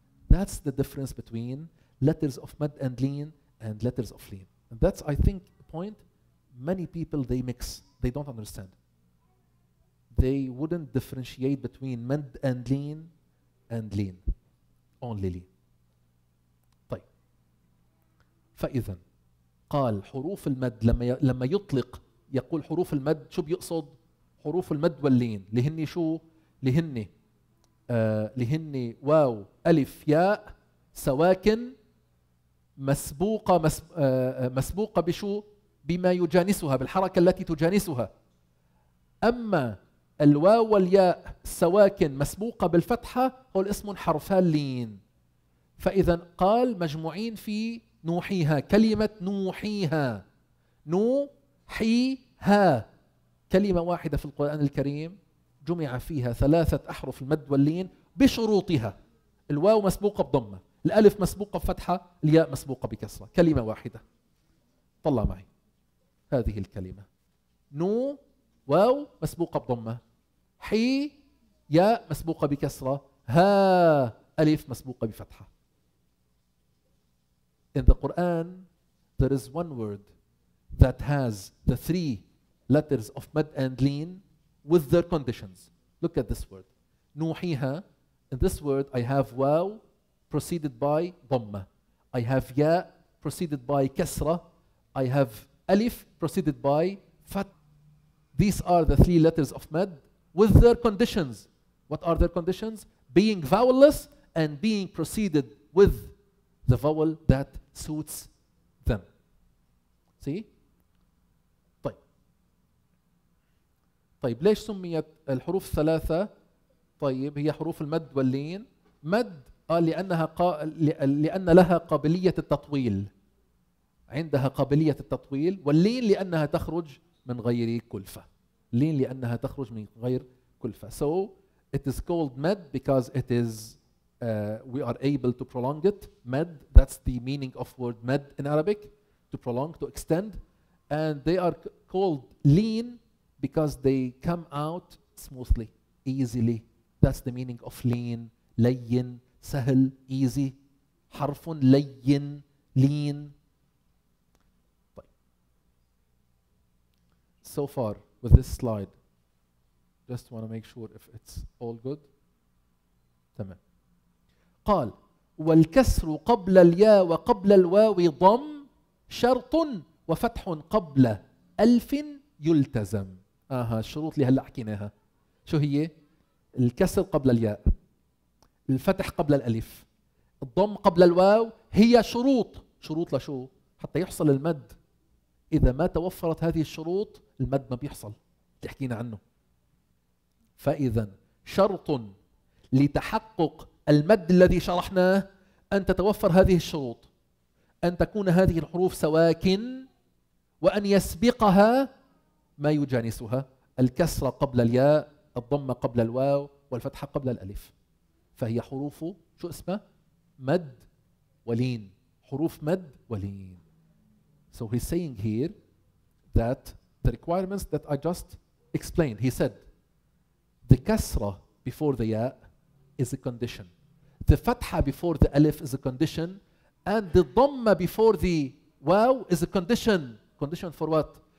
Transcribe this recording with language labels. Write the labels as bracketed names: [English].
[English] That's the difference between letters of mad and lean and letters of lean. And that's, I think, a point many people, they mix. They don't understand. They wouldn't differentiate between mad and lean, only lean. [Arabic] طيب. فإذن قال حروف المد لما يطلق يقول حروف المد شو بيقصد؟ حروف المد واللين. لهني شو؟ لهني لهني واو ألف ياء سواكن مسبوقة مسبوقة بشو؟ بما يجانسها بالحركة التي تجانسها. أما الواو والياء سواكن مسبوقة بالفتحة هو الاسم حرف اللين. فإذا قال مجموعين في نوحيها كلمة نوحيها نوحيها كلمة واحدة في القرآن الكريم جمع فيها ثلاثة أحرف المد واللين بشروطها. الواو مسبوقة بضمة، الألف مسبوقة بفتحة، الياء مسبوقة بكسرة، كلمة واحدة. طلع معي هذه الكلمة نو واو مسبوقة بضمة، حي ياء مسبوقة بكسرة، ها ألف مسبوقة بفتحة. [English] In the Quran, there is one word that has the three letters of mad and lean with their conditions. Look at this word. نوحيها. In this word, I have واو preceded by ضمة. I have ياء preceded by كسرة. I have ألف preceded by فتح. These are the three letters of mad with their conditions. What are their conditions? Being vowelless and being preceded with the vowel that suits them. See? [Arabic] طيب. طيب ليش سميت الحروف الثلاثة؟ طيب هي حروف المد واللين. مد لأنها لأن لها قابلية التطويل. عندها قابلية التطويل. واللين لأنها تخرج من غير كلفة. لين لأنها تخرج من غير كلفة. [English] So it is called mad because it is we are able to prolong it. Mad, that's the meaning of word mad in Arabic, to prolong, to extend. And they are called lean because they come out smoothly, easily. That's the meaning of lean. [Arabic] لين, سهل, easy. حرف لين, lean. [English] So far with this slide, just want to make sure if it's all good. [Arabic] تمام. قال والكسر قبل الياء وقبل الواو ضم شرط وفتح قبل ألف يلتزم. آها الشروط اللي هلأ حكيناها شو هي؟ الكسر قبل الياء، الفتح قبل الألف، الضم قبل الواو. هي شروط. شروط لشو؟ حتى يحصل المد. إذا ما توفرت هذه الشروط المد ما بيحصل اللي حكينا عنه. فإذا شرط لتحقق المد الذي شرحناه أن تتوفر هذه الشروط، أن تكون هذه الحروف سواكن وأن يسبقها ما يجانسها، الكسرة قبل الياء، الضمة قبل الواو، والفتحة قبل الألف. فهي حروف شو اسمها؟ مد ولين. حروف مد ولين. [English] So he's saying here that the requirements that I just explained, he said the kasra before the ya is a condition, the fatha before the alif is a condition, and the dhamma before the waw is a condition. Condition for what?